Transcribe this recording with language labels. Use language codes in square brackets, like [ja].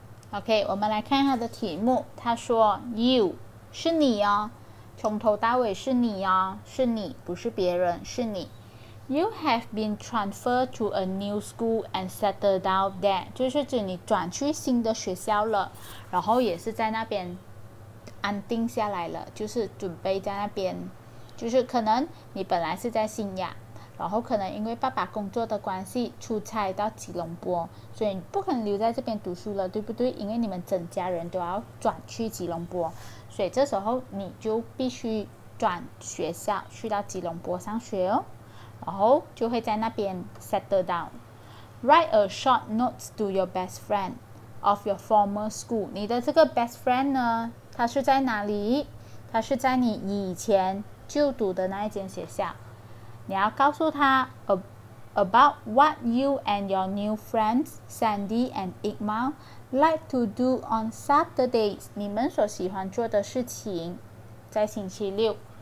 [zh] OK， 我们来看他的题目。他说 ：“You 是你哦，从头到尾是你哦，是你，不是别人，是你。 [en] You have been transferred to a new school and settled down there， [zh] 就是指你转去新的学校了。” 然后也是在那边安定下来了，就是准备在那边就是可能你本来是在新亚，然后可能因为爸爸工作的关系出差到吉隆坡，所以你不可能留在这边读书了，对不对？因为你们整家人都要转去吉隆坡，所以这时候你就必须转学校去到吉隆坡上学哦，然后就会在那边 settle down。 [en] Write a short note to your best friend of your former school。 [zh] 你的这个 best friend 呢，他是在哪里？他是在你以前就读的那一间学校。 [en] 你要告诉他 about what you and your new friends Sandy and Iqmal like to do on Saturdays， [zh] 你们所喜欢做的事情在星期六。